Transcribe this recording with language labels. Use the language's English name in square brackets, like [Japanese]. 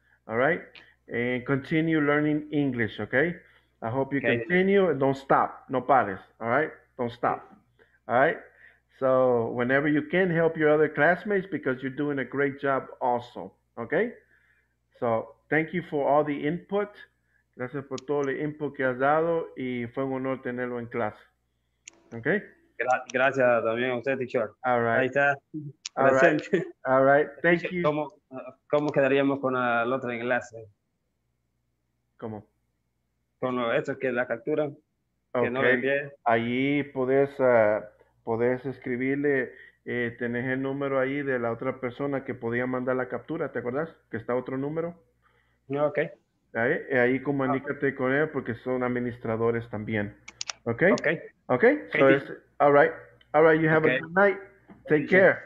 [English] All right. And continue learning English. Okay. I hope you okay. continue and don't stop. [Spanish] No pares. [English] All right. Don't stop. All right. So whenever you can help your other classmates, because you're doing a great job also, okay? So thank you for all the input. [Spanish] Gracias por todo el input que has dado y fue un honor tenerlo en clase, okay? Gracias también a usted, teacher. [English] All right. [Spanish] Ahí está. [English] All right. All right. Thank you. [Spanish] ¿Cómo quedaríamos con el otro en clase? ¿Cómo? Con lo, eso que la captura. Okay. Que no lo envié. Allí podés... Podés escribirle, tenés el número ahí de la otra persona que podía mandar la captura, ¿te acuerdas? Que está otro número. No, ok. Ahí, ahí comunícate okay. con él porque son administradores también. Ok. Ok. [English] Ok. Okay. So it's, all right. All right. You have okay. a good night. Take care.